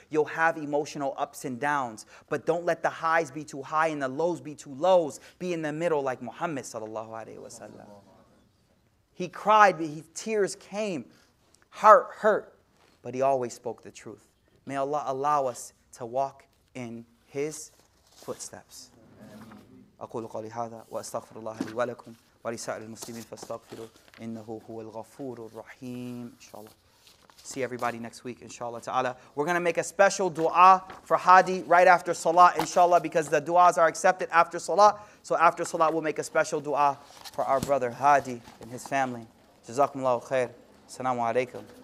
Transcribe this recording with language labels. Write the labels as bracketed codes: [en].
[en] You'll have emotional ups and downs, but don't let the highs be too high and the lows be too lows. Be in the middle like Muhammad sallallahu alayhi wa sallam. He cried, but his tears came, heart hurt, but he always spoke the truth. May Allah allow us to walk in his footsteps. [ar] أقول قولي هذا وأستغفر الله لي ولكم ولسائر المسلمين فاستغفروا إنه هو الغفور الرحيم إن شاء الله. [en] See everybody next week, inshallah ta'ala. We're going to make a special dua for Hadi right after salah, inshallah, because the duas are accepted after salah. So after salah, we'll make a special dua for our brother Hadi and his family. [ar] Jazakumullahu khair. Assalamu alaikum.